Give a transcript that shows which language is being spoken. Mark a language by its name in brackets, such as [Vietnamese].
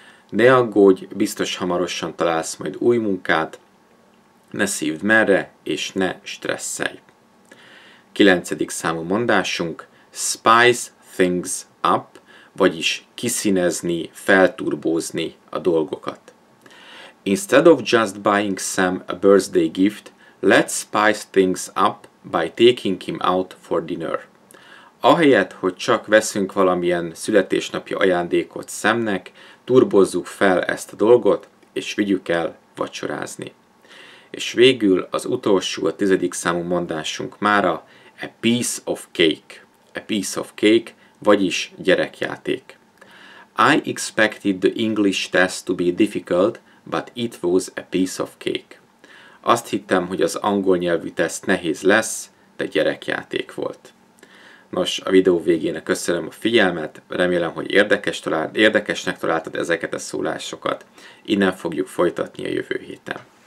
[Hungarian] Ne aggódj, biztos hamarosan találsz majd új munkát. Ne szívd merre, és ne stresszelj. Kilencedik számú mondásunk, [English] spice things up, [Hungarian] vagyis kiszínezni, felturbózni a dolgokat. [English] Instead of just buying Sam a birthday gift, let's spice things up by taking him out for dinner. [Hungarian] Ahelyett, hogy csak veszünk valamilyen születésnapi ajándékot Samnek, turbozzuk fel ezt a dolgot, és vigyük el vacsorázni. És végül az utolsó, a tizedik számú mondásunk mára, [English] a piece of cake. A piece of cake, [Hungarian] vagyis gyerekjáték. [English] I expected the English test to be difficult, but it was a piece of cake. [Hungarian] Azt hittem, hogy az angol nyelvű teszt nehéz lesz, de gyerekjáték volt. Nos, a videó végének köszönöm a figyelmet, remélem, hogy érdekesnek találtad ezeket a szólásokat. Innen fogjuk folytatni a jövő héten.